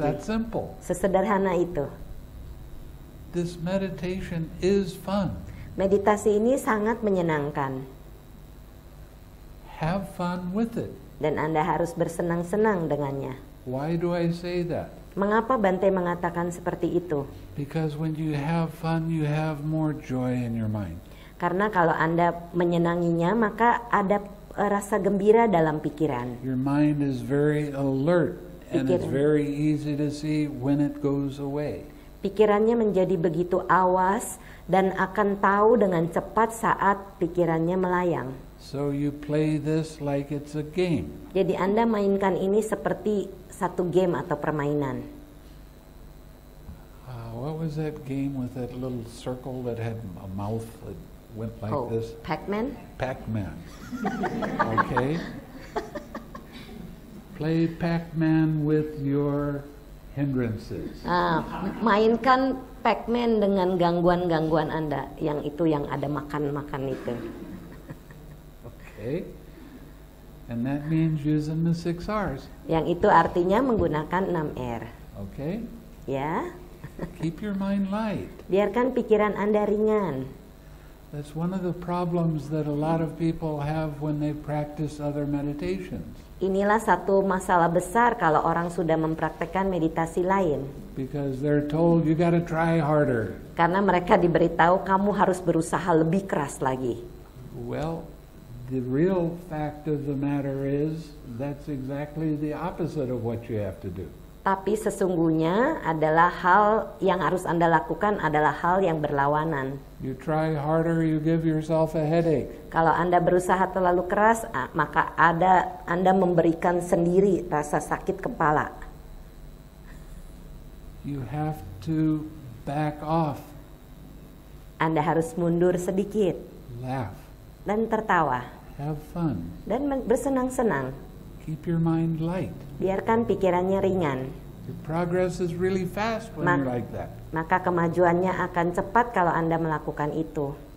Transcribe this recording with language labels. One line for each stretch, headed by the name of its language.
English: It's that simple.
Indonesian: Sesederhana itu.
English: This meditation is fun.
Indonesian: Meditasi ini sangat menyenangkan.
English: Have fun with it.
Indonesian: Dan Anda harus bersenang-senang dengannya.
English: Why do I say that?
Indonesian: Mengapa Bante mengatakan seperti itu?
English: Because when you have fun, you have more joy in your mind.
Indonesian: Karena kalau Anda menyenanginya, maka ada rasa gembira dalam pikiran.
English: Your mind is very alert and it's very easy to see when it goes away.
Indonesian: Pikirannya menjadi begitu awas dan akan tahu dengan cepat saat pikirannya melayang.
English: So you play this like it's a game.
Indonesian: Jadi Anda mainkan ini seperti satu game atau permainan.
English: What was that game with that little circle that had a mouth that went like this? Pac-Man? Pac-Man. Okay. Play Pac-Man with your hindrances.
Indonesian: Mainkan Pac-Man dengan gangguan-gangguan Anda, yang itu yang ada makan-makan itu.
English: Okay. And that means using the 6 R's.
Indonesian: Yang itu artinya menggunakan 6 R.
English: Okay.
Indonesian: Ya.
English: Keep your mind light.
Indonesian: Biarkan pikiran Anda ringan.
English: That's one of the problems that a lot of people have when they practice other meditations.
Indonesian: Inilah satu masalah besar kalau orang sudah mempraktikkan meditasi lain.
English: Because they're told you gotta try harder.
Indonesian: Karena mereka diberitahu kamu harus berusaha lebih keras lagi.
English: Well, the real fact of the matter is that's exactly the opposite of what you have to do.
Indonesian: Tapi sesungguhnya adalah hal yang harus Anda lakukan adalah hal yang berlawanan.
English: You try harder, you give yourself a headache.
Indonesian: Kalau Anda berusaha terlalu keras, maka Anda memberikan sendiri rasa sakit kepala.
English: You have to back off.
Indonesian: Anda harus mundur sedikit.
English: Laugh.
Indonesian: Dan tertawa.
English: Have fun.
Indonesian: Dan bersenang-senang.
English: Keep your mind light.
Indonesian: Biarkan pikirannya ringan.
English: Your progress is really fast when you're like that.
Indonesian: Maka kemajuannya akan cepat kalau Anda melakukan itu.